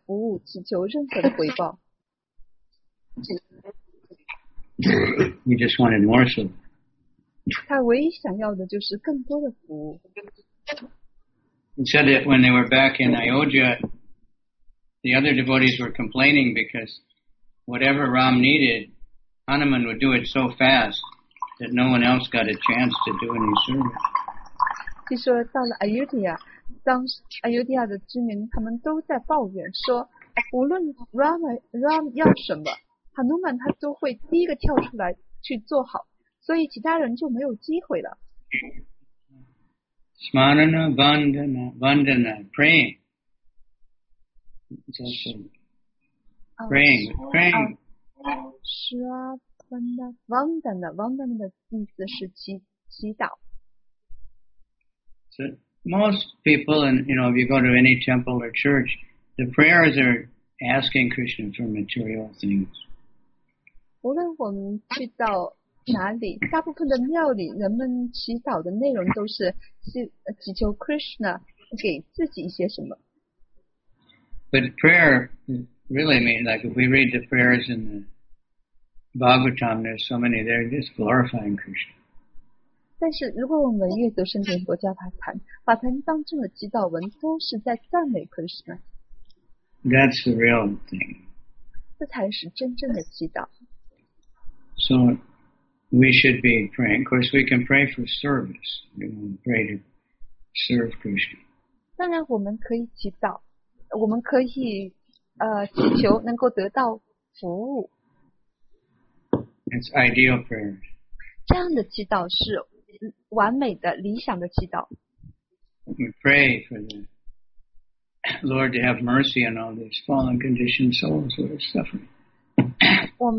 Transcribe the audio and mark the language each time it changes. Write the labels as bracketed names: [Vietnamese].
[Chinese] 他从来没有为自己的服务祈求任何的回报。 [English] He just wanted more service. [Chinese] 他唯一想要的就是更多的服务。 [English] He said that when they were back in Ayodhya, the other devotees were complaining because whatever Ram needed, Hanuman would do it so fast that no one else got a chance to do any service. [Chinese] 据说到了Ayodhya, 当Ayodhya的居民他们都在抱怨说, 无论Ram要什么, Hanuman他都会第一个跳出来去做好, 所以其他人就没有机会了。 [English] Smarana, Vandana, Vandana, praying. It's also praying, praying. [Chinese] Shra, Vandana, Vandana, Vandana的意思是祈祷. [English] So most people, and you know, if you go to any temple or church, the prayers are asking Krishna for material things. [Chinese] 无论我们去到 哪里, 大部分的庙里, 人们祈祷的内容都是, 祈求 Krishna 给自己一些什么。 [English] But prayer really means, like if we read the prayers in the Bhagavatam, there's so many, they're just glorifying Krishna. [Chinese] 但是如果我们阅读圣典国家法坛, 法坛当中的祈祷文, 都是在赞美 Krishna。 [English] That's the real thing. [Chinese] 这才是真正的祈祷。 [English] So, we should be praying. Of course, we can pray for service. We want to pray to serve Krishna. [Chinese] 当然我们可以祈祷,我们可以祈求能够得到服务。 [English] It's ideal prayer. [Chinese] 这样的祈祷是完美的,理想的祈祷。 [English] We pray for the Lord to have mercy on all these fallen conditioned souls who are suffering.